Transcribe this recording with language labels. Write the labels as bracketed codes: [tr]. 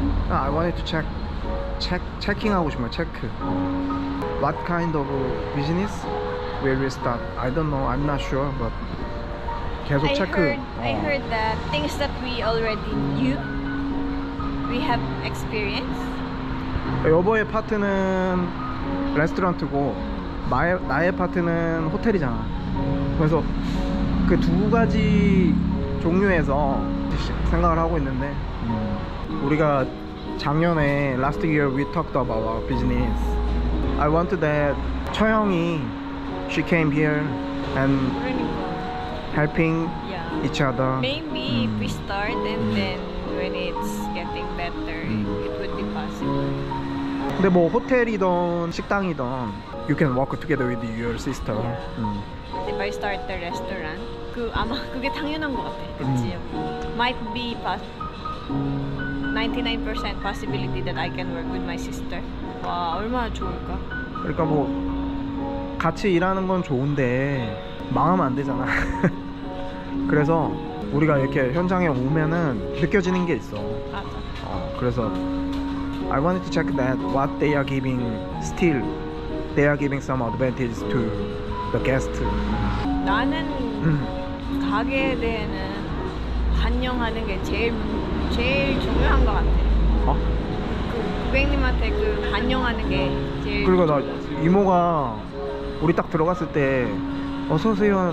[en] I wanted to checking [ko] 하고 싶어요. [en] Check. What kind of business will we start? I don't know. I'm not sure. But [ko] 계속 [en] check. I heard the things that we already knew. We have experience. [ko] 여보의 파트는 레스토랑트고 나의 파트는 호텔이잖아. 그래서 그 두 가지 종류에서 생각을 하고 있는데 우리가 작년에 [en] last year we talked about our business. I want that 처형이 she came here and helping each other. Maybe if we start and then when it's getting better, it would be possible. [ko] 근데 뭐 호텔이든 식당이든 [en] you can work together with your sister. Yeah. If I start the restaurant. [ko] 아마 그게 당연한 것 같아. 그치? [en] Might be 99% possibility that I can work with my sister. [ko] 와, 얼마나 좋을까? 그러니까 뭐 같이 일하는 건 좋은데 망하면 안 되잖아. 그래서 우리가 이렇게 현장에 오면은 느껴지는 게 있어. 맞아. 그래서 [en] I wanted to check that what they are giving still. They are giving some advantages to the guest. [ko] 나는 가게에 대해는 환영하는 게 제일 중요한 것 같아. 어? 그 고객님한테 그 환영하는 게 제일. 그리고 나 이모가 우리 딱 들어갔을 때 어서 오세요.